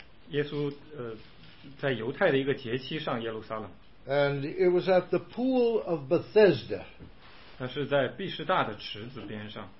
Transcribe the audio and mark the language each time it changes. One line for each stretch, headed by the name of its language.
Chinese: 耶稣在犹太的一个节期上耶路撒冷。
English: And it was at the pool of Bethesda.
Chinese: 那是在毕士大的池子边上。